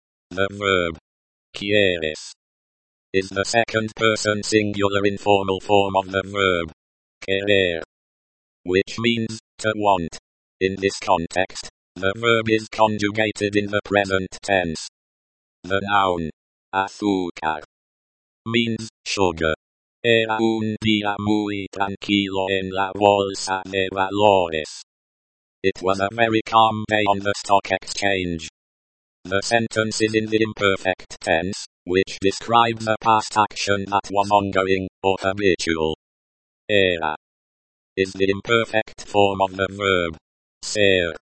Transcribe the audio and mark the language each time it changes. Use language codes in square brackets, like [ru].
[en] The verb quieres is the second person singular informal form of the verb querer, which means to want. In this context, the verb is conjugated in the present tense. The noun azúcar means sugar. [es] Era un día muy tranquilo en la bolsa de valores. [en] It was a very calm day on the stock exchange. The sentence is in the imperfect tense, which describes a past action that was ongoing, or habitual. Era is the imperfect form of the verb ser.